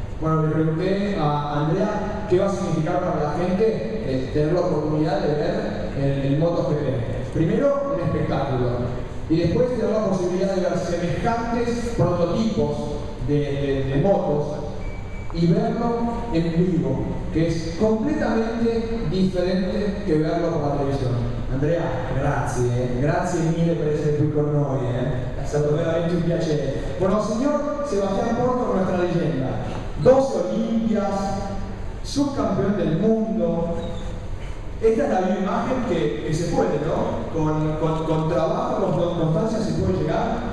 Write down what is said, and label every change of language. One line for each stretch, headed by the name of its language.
Spanish: Bueno, le pregunté a Andrea qué va a significar para la gente tener la oportunidad de ver el MotoGP. Primero, un espectáculo. Y después, tener la posibilidad de ver semejantes prototipos de motos y verlo en vivo, que es completamente diferente que verlo por la televisión.
Italian: Andrea, grazie, grazie mille per essere qui con noi, è stato veramente un piacere. Bueno, signor Sebastián Porto, nostra leggenda, 12 Olimpias,
Spanish: subcampeón del mundo,
Italian: esta è la mia immagine che si può, no?
Spanish: Con trabajo, con constancia
Italian: si può
Spanish: llegar.